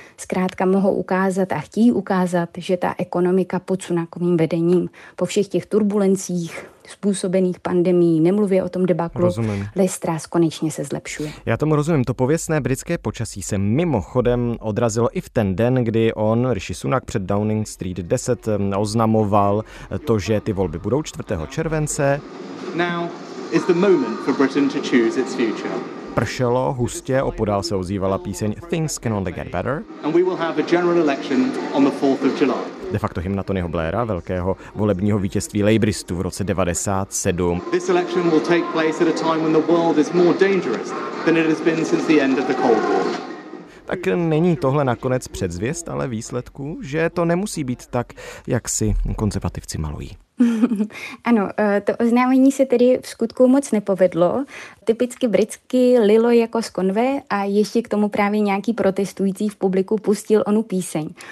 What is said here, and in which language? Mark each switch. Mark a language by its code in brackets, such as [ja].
[cs] Zkrátka mohou ukázat a chtějí ukázat, že ta ekonomika pod Sunakovým vedením po všech těch turbulencích způsobených pandemií, nemluvě o tom debaklu, Liz Truss konečně se zlepšuje. Já tomu rozumím, to pověstné britské počasí se mimochodem odrazilo i v ten den, kdy on, Rishi Sunak, před Downing Street 10 oznamoval to, že ty volby budou 4. července. [en] Now is the moment for Britain to choose its future. [cs] Pršelo hustě, opodál se ozývala píseň Things Can Only Get Better. [en] And we will have a general election on the 4th of July. [cs] De facto hymna Tonyho Blaira, velkého volebního vítězství Labouristů v roce 97. [en] This election will take place at a time when the world is more dangerous than it has been since the end of the Cold War. [cs] Tak není tohle nakonec předzvěst, ale výsledku, že to nemusí být tak, jak si konzervativci malují. Ano, to oznámení se tedy v skutku moc nepovedlo. Typicky britsky lilo jako z konve a ještě k tomu právě nějaký protestující v publiku pustil onu píseň.